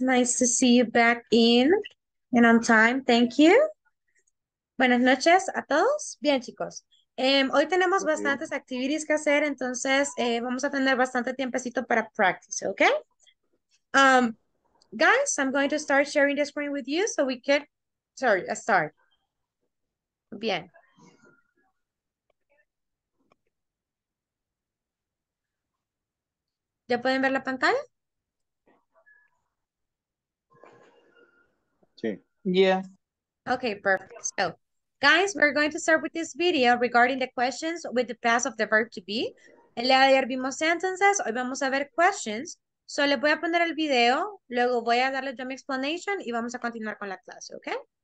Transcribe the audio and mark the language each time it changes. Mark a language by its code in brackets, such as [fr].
[en] Nice to see you back in and on time. Thank you. [es] Buenas noches a todos. Bien, chicos. Hoy tenemos bastantes activities que hacer, entonces vamos a tener bastante tiempecito para practice, ¿ok? [en] Guys, I'm going to start sharing the screen with you so we can. Sorry, a start. [es] Bien. ¿Ya pueden ver la pantalla? Sí. [en] Yeah. Ok, perfect. So. Guys, we're going to start with this video regarding the questions with the past of the verb to be. [es] El día de ayer vimos sentences, hoy vamos a ver questions. So les voy a poner el video, luego voy a darle yo mi explanation y vamos a continuar con la clase, ¿ok?